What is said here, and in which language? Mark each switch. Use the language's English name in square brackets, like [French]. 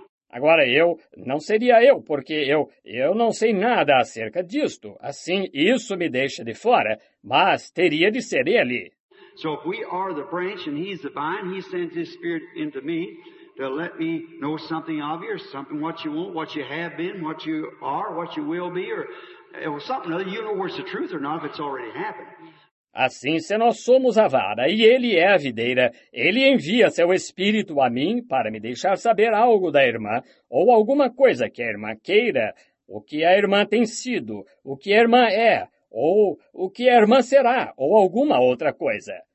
[Portuguese] Agora eu, não seria eu, porque eu não sei nada acerca disto, assim isso me deixa de fora, mas teria de ser ele. [English] So if we are the branch and he's the vine, he sends his spirit into me to let me know something of you, or something what you want, what you have been, what you are, what you will be, or something other. You know where it's the truth or not, if it's already happened. [Portuguese] Assim, se nós somos a vara e ele é a videira, ele envia seu espírito a mim para me deixar saber algo da irmã, ou alguma coisa que a irmã queira, o que a irmã tem sido, o que a irmã é. Ou o que a irmã será, ou alguma outra coisa.